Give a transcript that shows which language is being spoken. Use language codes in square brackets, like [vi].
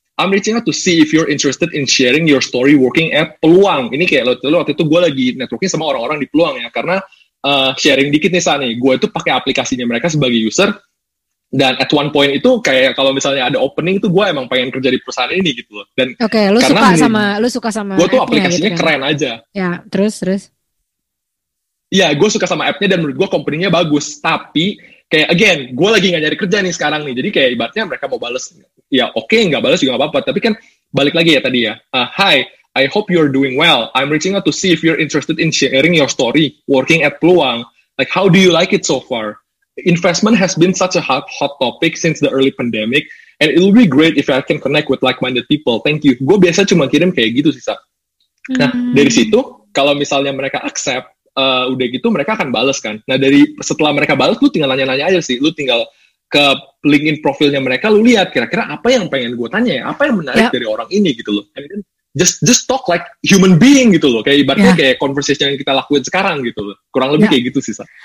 [en] I'm reaching out to see if you're interested in sharing your story working at Peluang. [id] Ini kayak waktu itu gue lagi networking sama orang-orang di Peluang ya, karena sharing dikit nih, Sani. Gue itu pakai aplikasinya mereka sebagai user, dan [en] at one point [id] itu kayak kalau misalnya ada opening itu gue emang pengen kerja di perusahaan ini gitu loh. Dan okay, lu karena suka sama, lu suka sama gue tuh aplikasinya gitu kan? Keren aja. Ya, terus? Iya, gue suka sama app-nya dan menurut gue company-nya bagus. Tapi, kayak again, gue lagi gak nyari kerja nih sekarang nih. Jadi kayak ibaratnya mereka mau bales. Ya oke, okay, gak bales juga gak apa-apa. Tapi kan balik lagi ya tadi ya. [en] Hi, I hope you're doing well. I'm reaching out to see if you're interested in sharing your story working at Peluang. Like, how do you like it so far? Investment has been such a hot topic since the early pandemic, and it will be great if I can connect with like-minded people. Thank you. [id] Gue biasa cuma kirim kayak gitu sih, Sa. Nah, dari situ, kalau misalnya mereka accept, udah gitu mereka akan balas kan. Nah, dari setelah mereka balas, lu tinggal nanya-nanya aja sih. Lu tinggal ke LinkedIn profilnya mereka, lu lihat kira-kira apa yang pengen gue tanya ya. Apa yang menarik dari orang ini gitu loh. [en] And then, just talk like human being [id] gitu loh, kayak ibaratnya kayak conversation yang kita lakuin sekarang gitu loh, kurang lebih kayak gitu sih, Sa.